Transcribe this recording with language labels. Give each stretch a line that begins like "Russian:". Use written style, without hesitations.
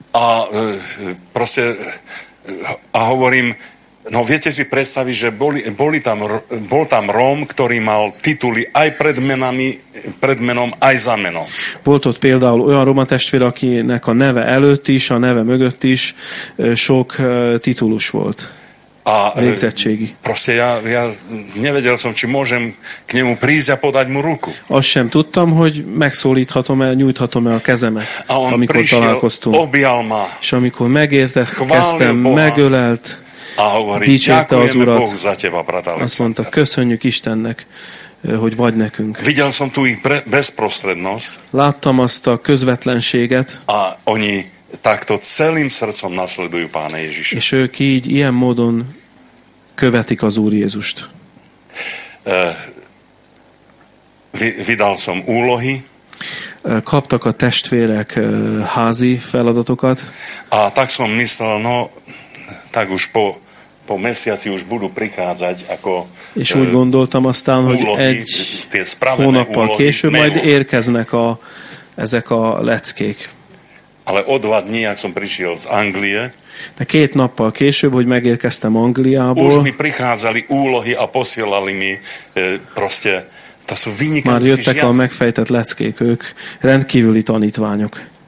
Slovak: A proste, a hovorím, no viete si predstaviť, že bol tam Róm, ktorý mal tituly aj predmenom, aj za menom.
Hungarian: Volt ott például olyan roma testvér, akinek a neve előtt is, a neve mögött is sok titulus volt.
Slovak: A
Hungarian: végzettségi.
Slovak: Proste ja nevedel som, či môžem k nemu prísť a podať mu ruku.
Hungarian: Azt sem tudtam, hogy megszólíthatom-e, nyújthatom-e a kezemet, amikor
Slovak: prišiel,
Hungarian: találkoztunk.
Slovak: Objal ma.
Hungarian: És amikor megértettem, megölelt,
Slovak: a hovorí,
Hungarian: dicsérte az Urat.
Slovak: Boh za teba, brat Alexander.
Hungarian: Azt mondta, köszönjük Istennek, hogy vagy nekünk.
Slovak: Videl som tu ich bezprostrednosť.
Hungarian: Láttam azt a közvetlenséget.
Slovak: A oni takto celým srdcom nasledujú Pána Ježiša.
Hungarian: És ők így, ilyen módon követik az Úr Jézust.
Slovak: Vidal som úlohy.
Hungarian: Kaptak a testvérek házi feladatokat.
Slovak: A tak som myslel, no, tak už po mesiaci už budú prichádzať ako.
Hungarian: És úgy gondoltam aztán, úlohy, hogy egy hónappal később majd érkeznek ezek a leckék.
Slovak: Ale o dva dní, ak som prišiel z Anglie.
Hungarian: De két nappal később, hogy megérkeztem Angliából.
Slovak: Už mi prichádzali úlohy a posielali mi proste
Hungarian: Már jöttek a megfejtett leckék, ők rendkívüli tanítványok.